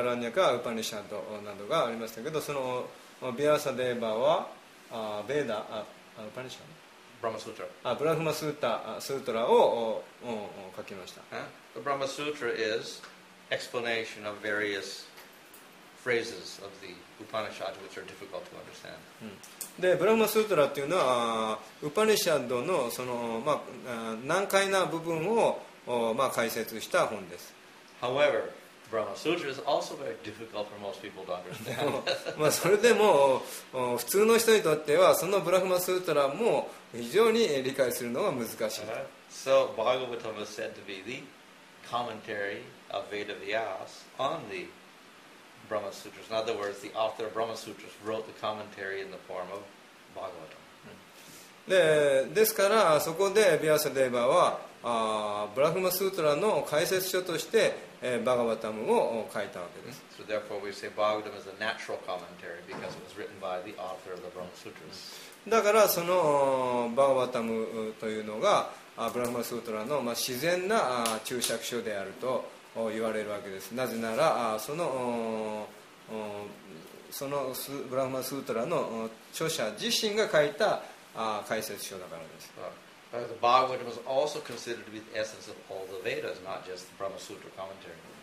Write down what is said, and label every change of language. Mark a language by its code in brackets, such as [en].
[ja] ラニャカウパニシャドなどがありましたけどそのビアサデーバはベーダーパニシャドブラマスータブラフマスータスートラを書きました。 [en] The Brahma Sutra is explanation of various phrases of the Upanishad which are difficult to understand. [ja] でブラフマスートラというのはウパニシャッド その、まあ、難解な部分を、まあ、解説した本です。 [en] However, Brahma Sutra is also very difficult for most people to understand. 、 [ja] まあ、それでも普通の人にとってはそのブラフマスートラも非常に理解するのが難しい。 [en] So Bhagavatam is said to be the commentary of Veda Vyas on theBrahma Sutras. In other words, the author of Brahma Sutras wrote the commentary in the form of Bhagavatam. [ja] で、ですからそこでヴィアサデーバはブラフマスートラの解説書としてバガヴァタムを書いたわけです。 [en] So therefore we say Bhagavatam is a natural commentary because it was written by the author of the Brahma Sutras. [ja] だからそのバガヴァタムというのがブラフマスートラの、まあ、自然な注釈書であると言われるわけです。なぜならそのブラフマスートラの著者自身が書いた解説書だからです。 [en] The Bhagavatam is also considered to be the essence of all the Vedas, not just the Brahma Sutra commentary.